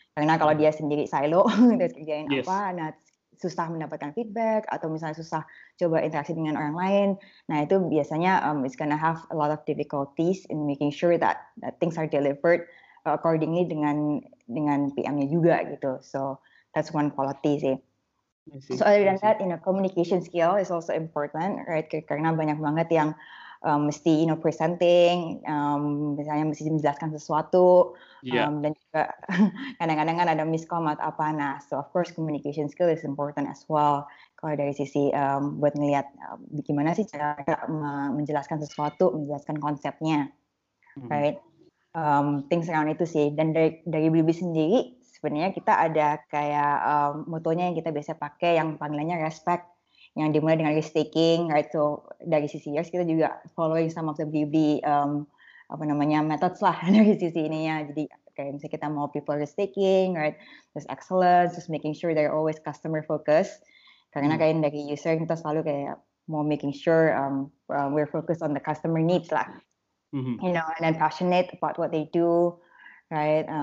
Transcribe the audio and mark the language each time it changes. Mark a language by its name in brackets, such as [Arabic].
[Indonesian] Karena kalau dia sendiri silo, terus kerjain apa, nah susah mendapatkan feedback atau misalnya susah coba interaksi dengan orang lain, nah itu biasanya [English] it's gonna have a lot of difficulties in making sure that things are delivered accordingly [Indonesian] dengan PM-nya juga gitu. [English] So that's one quality sih. So other than that, you know, communication skill is also important, right? [Indonesian] Karena banyak banget yang mesti, [English] you know, presenting, [Indonesian] misalnya mesti menjelaskan sesuatu, dan juga kadang-kadang kan ada miskom atau apa. [English] Nah, so of course communication skill is important as well. [Indonesian] Kalau dari sisi buat ngelihat gimana sih cara menjelaskan sesuatu, menjelaskan konsepnya, [English] right? Things around [Indonesian] itu sih. Dan dari Blippi sendiri sebenarnya kita ada kayak motonya yang kita biasa pakai yang panggilannya respect, yang dimulai dengan risk taking, right? So dari sisi years kita juga [English] following some of the Blippi methods [Indonesian] lah dari sisi ininya. Jadi kayak misalnya kita mau [English] people risk taking, right, terus excellence, terus making sure they're always customer focused, [Indonesian] karena kayak dari user kita selalu kayak mau [English] making sure we're focused on the customer needs lah. You know, and then passionate about what they do, right?